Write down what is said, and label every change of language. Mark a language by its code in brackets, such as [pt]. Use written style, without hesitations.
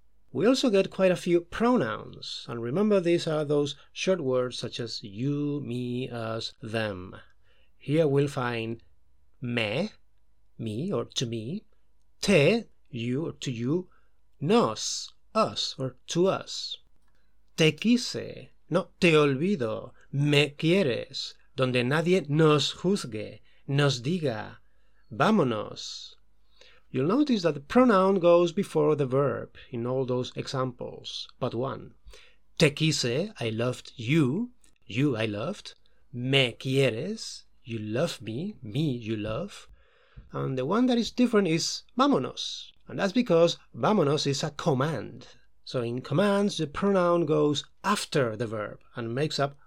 [en] We also get quite a few pronouns, and remember these are those short words such as you, me, us, them. Here we'll find me, me or to me, te, you or to you, nos, us or to us. [es] Te quise, no te olvido, me quieres, donde nadie nos juzgue. Nos diga, vámonos. [en] You'll notice that the pronoun goes before the verb in all those examples, but one. [es] Te quise, [en] I loved you, you I loved. [es] Me quieres, [en] you love me you love. And the one that is different is vámonos. And that's because vámonos is a command. So in commands, the pronoun goes after the verb and makes up